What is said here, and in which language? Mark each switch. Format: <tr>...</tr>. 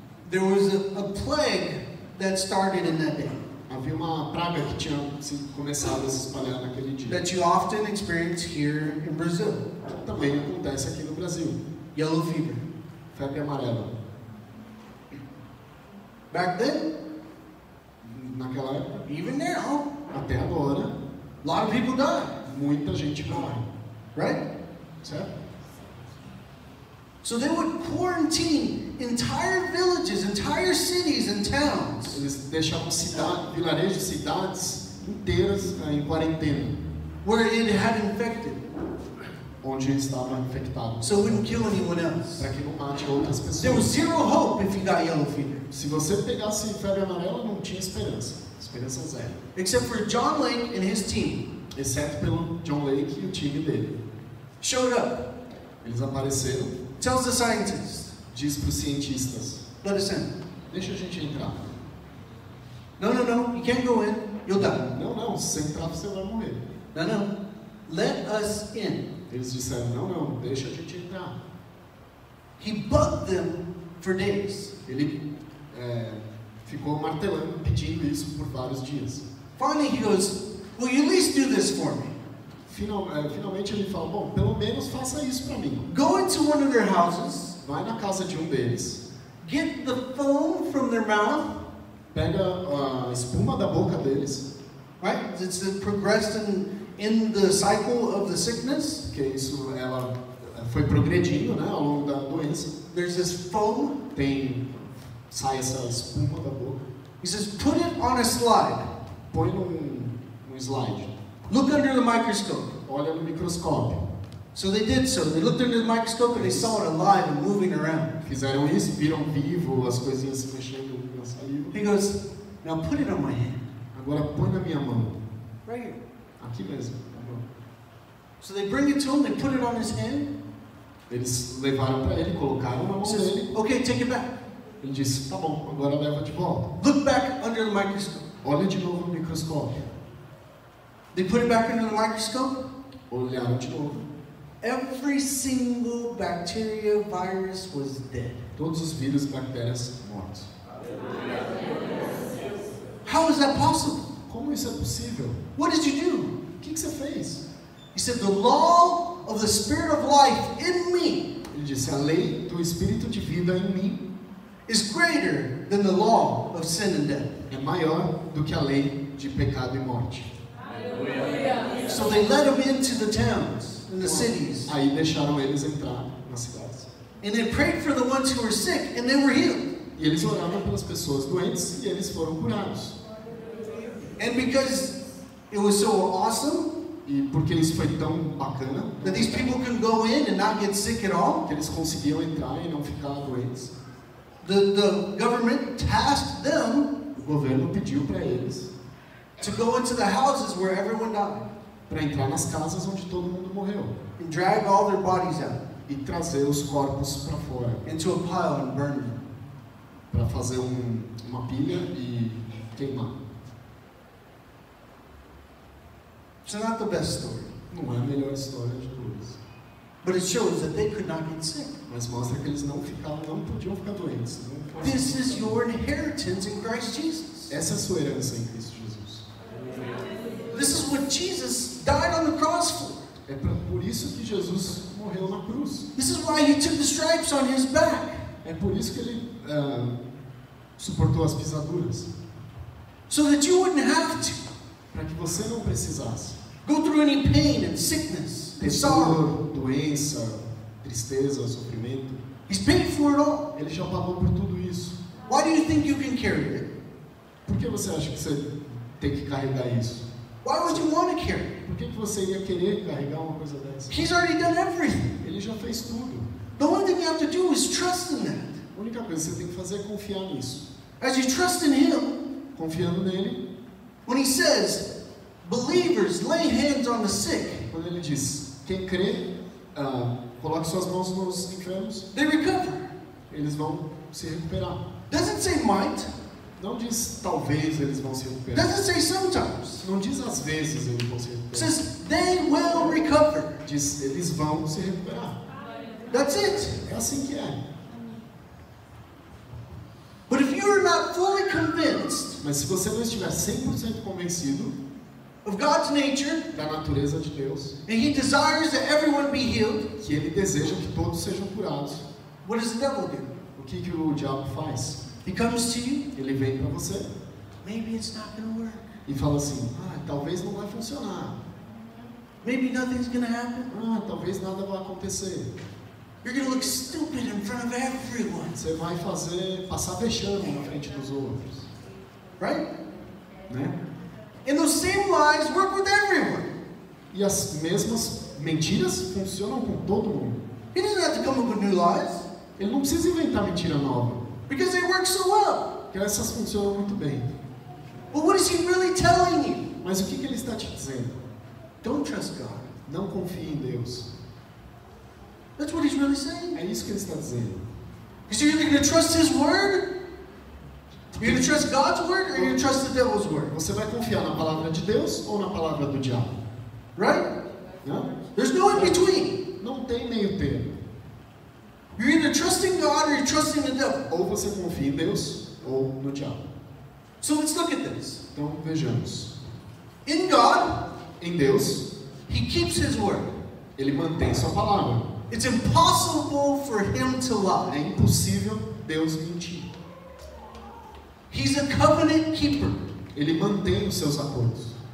<en>There was a plague that started in that day.</en> <pt>Havia uma praga que tinha se começado a se espalhar naquele dia.</pt> <en>That you often experience here in Brazil.</en> <pt>Também acontece aqui no Brasil.</pt> <en>Yellow fever.</en> <pt>Febre amarela.</pt> <en>Back then?</en> <pt>Naquela época.</pt> <en>Even now.</en> <pt>Até agora.</pt> <en>A lot of people die.</en> <pt>Muita gente morre.</pt> <en>Right?</en> <pt>Certo?</pt> <en>So they would quarantine entire villages, entire cities and towns.</en> <pt>Eles deixavam vilarejos, cidades inteiras em quarentena.</pt> <en>Where it had infected.</en> <pt>Onde estava infectado.</pt> <en>So it wouldn't kill anyone else.</en> <pt>Para que não mate outras pessoas.</pt> <en>There was zero hope if you got yellow fever.</en> <pt>Se você pegasse febre amarela, não tinha esperança. Esperança zero.</pt> <en>Except for John Lake and his team.</en> <pt>Exceto pelo John Lake e o time dele.</pt> <en>Showed up.</en> <pt>Eles apareceram.</pt> <en>Tells the scientists.</en> <pt>Diz para os cientistas.</pt> <en>Let us in.</en> <pt>Deixa a gente entrar.</pt> <en>No, you can't go in. You'll die.</en> <pt>Não, se você entrar, você vai morrer.</pt> <en>No. Let us in.</en> <pt>Eles disseram, não, deixa a gente entrar.</pt> <en>He bugged them for days.</en> <pt>Ele ficou martelando, pedindo isso por vários dias.</pt> <en>Finally he goes, will you at least do this for me?</en> <pt>Finalmente ele fala, bom, pelo menos faça isso para mim.</pt> <en>Go into one of their houses.</en> <pt>Vai na casa de deles.</pt> <en>Get the foam from their mouth.</en> <pt>Pega a espuma da boca deles.</pt> <en>Right? It's the progression in the cycle of the sickness.</en> <pt>Que isso, ela foi progredindo, né, ao longo da doença.</pt> <en>There's this foam.</en> <pt>Sai essa espuma da boca.</pt> <en>He says, put it on a slide.</en> <pt>Põe num slide.</pt> <en>Look under the microscope.</en> <pt>Olha no microscópio.</pt> <en>So they did so. They looked under the microscope and they saw it alive and moving around.</en> <pt>Fizeram isso, viram vivo as coisinhas se mexendo na saliva.</pt> <en>He goes, now put it on my hand.</en> <pt>Agora põe na minha mão.</pt> <en>Right here.</en> <pt>Aqui mesmo, na mão.</pt> <en>So they bring it to him, they put it on his hand.</en> <pt>Eles levaram para ele, colocaram na mão dele.</pt> <en>Okay, take it back.</en> <pt>Ele disse, tá bom, agora leva de volta.</pt> <en>Look back under the microscope.</en> <pt>Olha de novo no microscópio.</pt> <en>They put it back under the microscope.</en> <pt>Olharam de novo.</pt> <en>Every single bacteria virus was dead.</en> <pt>Todos os vírus e bactérias mortos.</pt> <en>How is that possible?</en> <pt>Como isso é possível?</pt> <en>What did you do?</en> <pt>Que você fez?</pt> <en>He said, the law of the spirit of life in me.</en> <pt>Ele disse, a lei do espírito de vida em mim.</pt> <en>Is greater than the law of sin and death.</en> <pt>É maior do que a lei de pecado e morte.</pt> <en>So they let them into the towns. In the cities.</en> <pt>Aí deixaram eles entrar nas cidades.</pt> <en>And they prayed for the ones who were sick, and they were healed.</en> <pt>E eles oravam pelas pessoas doentes, e eles foram curados.</pt> <en>And because it was so awesome,</en> <pt>e porque isso foi tão bacana,</pt> <en>that these people can go in and not get sick at all,</en> <pt>que eles conseguiam entrar e não ficar doentes,</pt> <en>the government tasked them,</en> <pt>o governo pediu para eles,</pt> <en>to go into the houses where everyone died.</en> <pt>Para entrar nas casas onde todo mundo morreu.</pt> <en>And drag all their bodies out.</en> <pt>E trazer os corpos para fora.</pt> <en>Into a pile and burn them.</en> <pt>Para fazer uma pilha e queimar.</pt> <en>It's not the best story.</en> <pt>Não é a melhor história de todas.</pt> <en>But it shows that they could not get sick.</en> <pt>Mas mostra que eles não podiam ficar doentes.</pt> <en>This is your inheritance in Christ Jesus.</en> <pt>Essa é a sua herança em Cristo Jesus.</pt> <en>This is what Jesus died on the cross for.</en> <pt>É por isso que Jesus morreu na cruz.</pt> <en>This is why he took the stripes on his back.</en> <pt>É por isso que ele suportou as pisaduras.</pt> <en>So that you wouldn't have to.</en> <pt>Para que você não precisasse.</pt> <en>Go through any pain and sickness.</en> <pt>Ter dor, doença, tristeza, sofrimento.</pt> <en>He's paid for it all.</en> <pt>Ele já pagou por tudo isso.</pt> <en>Why do you think you can carry it?</en> <pt>Por que você acha que você tem que carregar isso?</pt> <en>Why would you want to carry it?</en> <pt>Por que você ia querer carregar uma coisa dessa?</pt> <en>He's already done everything.</en> <pt>Ele já fez tudo.</pt> <en>The only thing you have to do is trust in that.</en> <pt>A única coisa que você tem que fazer é confiar nisso.</pt> <en>As you trust in him,</en> <pt>confiando nele,</pt> <en>when he says, believers, lay hands on the sick.</en> <pt>Quando ele diz, quem crê, coloque suas mãos nos enfermos.</pt> <en>They recover.</en> <pt>Eles vão se recuperar.</pt> <en>Doesn't say might.</en> <pt>Não diz talvez eles vão se recuperar.</pt> <en>Doesn't say sometimes.</en> <pt>Não diz às vezes eles vão se recuperar.</pt> <en>Says they will recover.</en> <pt>Diz eles vão se recuperar.</pt> <en>That's it.</en> <pt>É assim que é.</pt> <en>But if you're not fully convinced,</en> <pt>mas se você não estiver 100% convencido</pt> <en>of God's nature,</en> <pt>da natureza de Deus,</pt> <en>and he desires that everyone be healed,</en> <pt>que ele deseja que todos sejam curados,</pt> <en>what does the devil do?</en> <pt>O que que o diabo faz?</pt> <en>He comes to you,</en> <pt>ele vem para você,</pt> <en>maybe it's not gonna work,</en> <pt>e fala assim, ah, talvez não vai funcionar,</pt> <en>maybe nothing's gonna happen,</en> <pt>ah, talvez nada vai acontecer.</pt> <en>You're gonna look stupid in front of everyone.</en> <pt>Você vai fazer passar vexame na frente dos outros,</pt> <en>right?</en> <pt>Né?</pt> <en>And those same lies work with everyone.</en> <pt>E as mesmas mentiras funcionam com todo mundo.</pt> <en>He doesn't have to come up with new lies.</en> <pt>Ele não precisa inventar mentira nova.</pt> <en>Because they work so well.</en> <pt>Porque essas funcionam muito bem.</pt> <en>But what is he really telling you?</en> <pt>Mas o que ele está te dizendo?</pt> <en>Don't trust God.</en> <pt>Não confie em Deus.</pt> <en>That's what he's really saying.</en> <pt>É isso que ele está dizendo.</pt> <en>Is he really going to trust his word? You're going to trust God's word or you're going to trust the devil's word?</en> <pt>Você vai confiar na palavra de Deus ou na palavra do diabo?</pt> <en>Right? Yeah? There's no in between.</en> <pt>Não tem meio termo.</pt> <en>You're either trusting God or you're trusting the devil.</en> <pt>Ou você confia em Deus ou no diabo.</pt> <en>So let's look at this.</en> <pt>Então vejamos.</pt> <en>In God,</en> <pt>em Deus,</pt> <en>he keeps his word.</en> <pt>Ele mantém sua palavra.</pt> <en>It's impossible for him to lie.</en> <pt>É impossível Deus mentir.</pt> <en>He's a covenant keeper.</en> <pt>Ele mantém os seus acordos.</pt>